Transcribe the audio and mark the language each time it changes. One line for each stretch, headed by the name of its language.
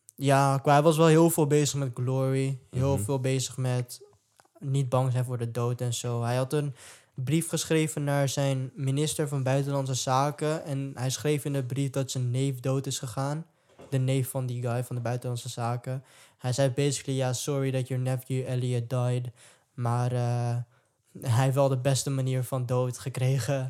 Dutch: Ja, hij was wel heel veel bezig met glory. Heel veel bezig met niet bang zijn voor de dood en zo. Hij had een brief geschreven naar zijn minister van Buitenlandse Zaken. En hij schreef in de brief dat zijn neef dood is gegaan. De neef van die guy van de Buitenlandse Zaken. Hij zei basically, ja,
English: sorry that your nephew Elliot died.
Dutch: Maar hij heeft wel de beste manier van dood gekregen.